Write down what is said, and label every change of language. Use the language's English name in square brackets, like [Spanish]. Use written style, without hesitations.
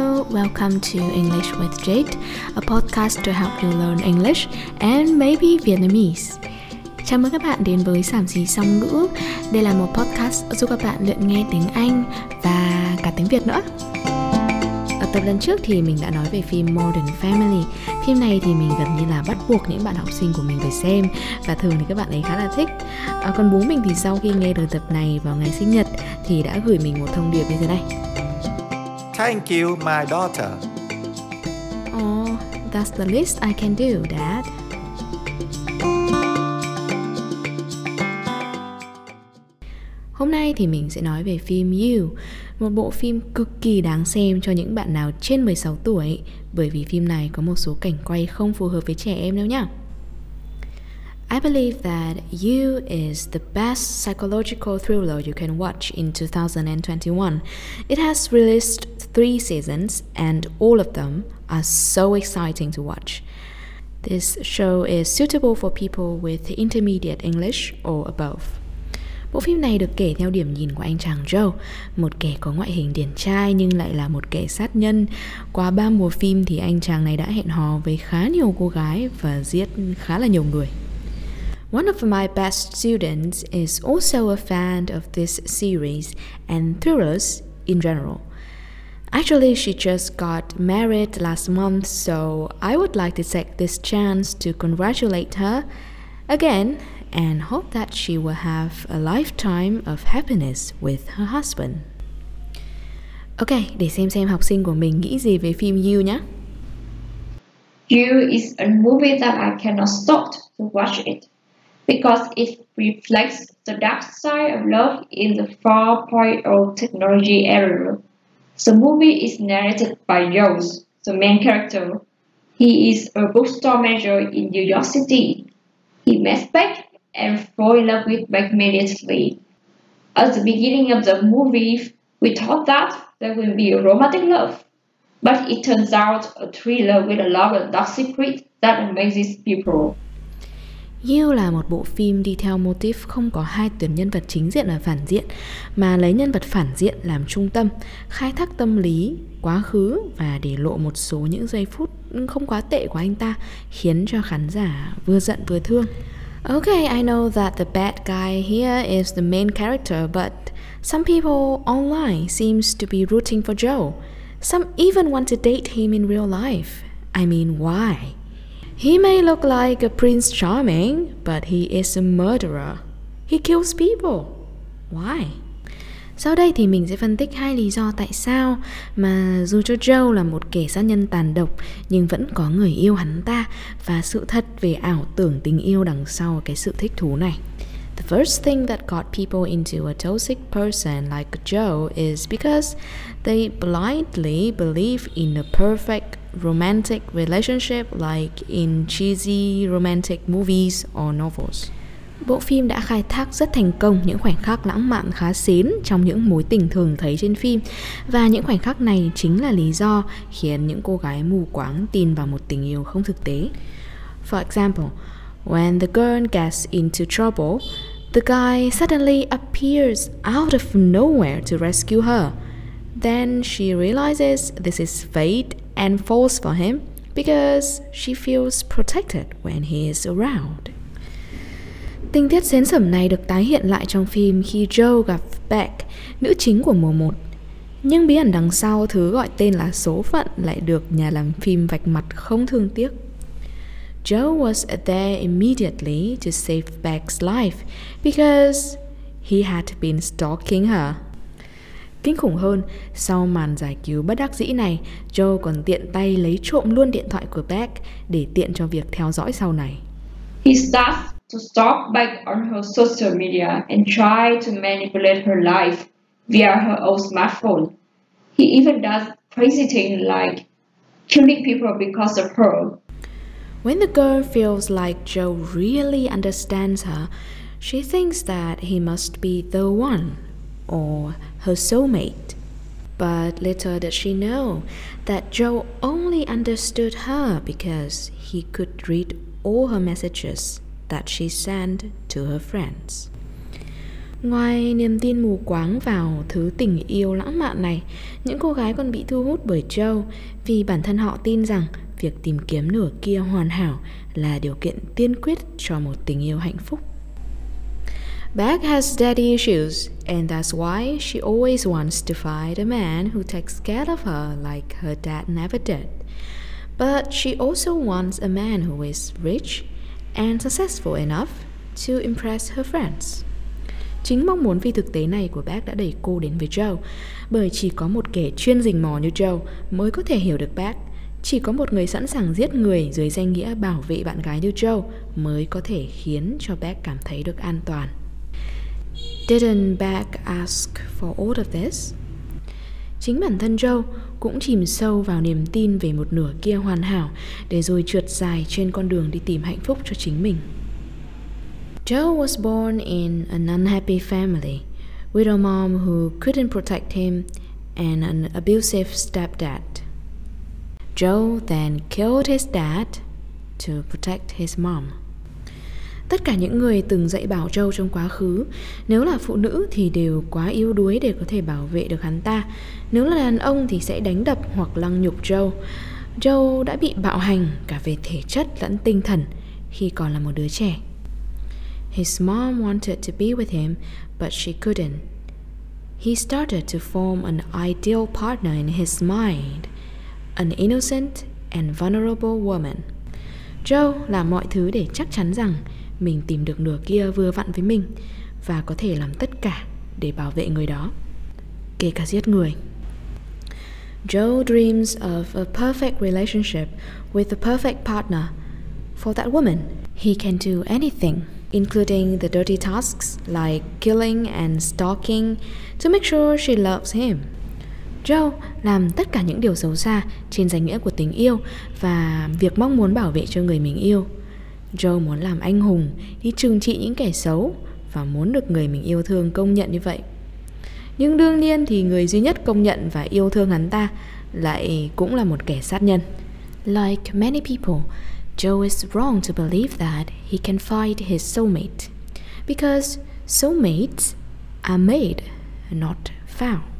[English] welcome to English with Jade, a podcast to help you learn English and maybe Vietnamese. [Vietnamese] Chào mừng các bạn đến với Sảm Xí Song Ngữ. Đây là một podcast giúp các bạn luyện nghe tiếng Anh và cả tiếng Việt nữa. Ở tập lần trước thì mình đã nói về phim Modern Family. Phim này thì mình gần như là bắt buộc những bạn học sinh của mình phải xem, và thường thì các bạn ấy khá là thích. Còn bố mình thì sau khi nghe được tập này vào ngày sinh nhật thì đã gửi mình một thông điệp như thế này. [English] Thank you, my daughter. Oh, that's the least I can do, Dad. [Vietnamese] Hôm nay thì mình sẽ nói về phim You, một bộ phim cực kỳ đáng xem cho những bạn nào trên 16 tuổi, bởi vì phim này có một số cảnh quay không phù hợp với trẻ em đâu nhá. [English] I believe that You is the best psychological thriller you can watch in 2021. It has released 3 seasons and all of them are so exciting to watch. This show is suitable for people with intermediate English or above. [Vietnamese] Bộ phim này được kể theo điểm nhìn của anh chàng Joe, một kẻ có ngoại hình điển trai nhưng lại là một kẻ sát nhân. Qua 3 mùa phim thì anh chàng này đã hẹn hò với khá nhiều cô gái và giết khá là nhiều người. [English] One of my best students is also a fan of this series and thrillers in general. Actually, she just got married last month, so I would like to take this chance to congratulate her again and hope that she will have a lifetime of happiness with her husband. [Vietnamese] Ok, để xem học sinh của mình nghĩ gì về phim You nhé. [English] You is a movie that I cannot stop to watch it because it reflects the dark side of love in the 4.0 technology era. The movie is narrated by Jones, the main character. He is a bookstore manager in New York City. He met Beck and fall in love with Beck immediately. At the beginning of the movie, we thought that there would be a romantic love. But it turns out a thriller with a lot of dark secrets that amazes people. [Vietnamese] You là một bộ phim đi theo motif không có hai tuyển nhân vật chính diện và phản diện, mà lấy nhân vật phản diện làm trung tâm, khai thác tâm lý, quá khứ và để lộ một số những giây phút không quá tệ của anh ta, khiến cho khán giả vừa giận vừa thương. [English] Okay, I know that the bad guy here is the main character, but some people online seems to be rooting for Joe. Some even want to date him in real life. I mean, why? He may look like a Prince Charming, but he is a murderer. He kills people. Why? [Vietnamese] Sau đây thì mình sẽ phân tích hai lý do tại sao mà dù cho Joe là một kẻ sát nhân tàn độc nhưng vẫn có người yêu hắn ta, và sự thật về ảo tưởng tình yêu đằng sau cái sự thích thú này. [English] The first thing that got people into a toxic person like Joe is because they blindly believe in a perfect romantic relationship like in cheesy romantic movies or novels. [Vietnamese] Bộ phim đã khai thác rất thành công những khoảnh khắc lãng mạn khá xến trong những mối tình thường thấy trên phim, và những khoảnh khắc này chính là lý do khiến những cô gái mù quáng tin vào một tình yêu không thực tế. [English] For example, when the girl gets into trouble, the guy suddenly appears out of nowhere to rescue her. Then she realizes this is fate and falls for him because she feels protected when he is around. [Vietnamese] Tình tiết xến sẩm này được tái hiện lại trong phim khi Joe gặp Beck, nữ chính của mùa 1. Nhưng bí ẩn đằng sau thứ gọi tên là số phận lại được nhà làm phim vạch mặt không thương tiếc. [English] Joe was there immediately to save Beck's life because he had been stalking her. [Vietnamese] Kinh khủng hơn, sau màn giải cứu bất đắc dĩ này, Joe còn tiện tay lấy trộm luôn điện thoại của Beck để tiện cho việc theo dõi sau này. [English] He starts to stalk Beck on her social media and try to manipulate her life via her old smartphone. He even does crazy things like killing people because of her. When the girl feels like Joe really understands her, she thinks that he must be the one, or her soulmate. But little does she know that Joe only understood her because he could read all her messages that she sent to her friends. [Vietnamese] Ngoài niềm tin mù quáng vào thứ tình yêu lãng mạn này, những cô gái còn bị thu hút bởi Joe vì bản thân họ tin rằng việc tìm kiếm nửa kia hoàn hảo là điều kiện tiên quyết cho một tình yêu hạnh phúc. [English] Beck has daddy issues, and that's why she always wants to find a man who takes care of her like her dad never did. But she also wants a man who is rich and successful enough to impress her friends. [Vietnamese] Chính mong muốn phi thực tế này của Beck đã đẩy cô đến với Joe, bởi chỉ có một kẻ chuyên rình mò như Joe mới có thể hiểu được Beck. Chỉ có một người sẵn sàng giết người dưới danh nghĩa bảo vệ bạn gái như Joe mới có thể khiến cho Beck cảm thấy được an toàn. [English] Didn't Beck ask for all of this? [Vietnamese] Chính bản thân Joe cũng chìm sâu vào niềm tin về một nửa kia hoàn hảo để rồi trượt dài trên con đường đi tìm hạnh phúc cho chính mình. [English] Joe was born in an unhappy family, with a mom who couldn't protect him and an abusive stepdad. Joe then killed his dad to protect his mom. [Vietnamese] Tất cả những người từng dạy bảo Joe trong quá khứ, nếu là phụ nữ thì đều quá yếu đuối để có thể bảo vệ được hắn ta. Nếu là đàn ông thì sẽ đánh đập hoặc lăng nhục Joe. Joe đã bị bạo hành cả về thể chất lẫn tinh thần khi còn là một đứa trẻ. [English] His mom wanted to be with him, but she couldn't. He started to form an ideal partner in his mind, an innocent and vulnerable woman. [Vietnamese] Joe làm mọi thứ để chắc chắn rằng mình tìm được nửa kia vừa vặn với mình và có thể làm tất cả để bảo vệ người đó, kể cả giết người. [English] Joe dreams of a perfect relationship with a perfect partner. For that woman, he can do anything, including the dirty tasks like killing and stalking to make sure she loves him. [Vietnamese] Joe làm tất cả những điều xấu xa trên danh nghĩa của tình yêu và việc mong muốn bảo vệ cho người mình yêu. Joe muốn làm anh hùng, đi trừng trị những kẻ xấu và muốn được người mình yêu thương công nhận như vậy. Nhưng đương nhiên thì người duy nhất công nhận và yêu thương hắn ta lại cũng là một kẻ sát nhân. [English] Like many people, Joe is wrong to believe that he can find his soulmate, because soulmates are made, not found.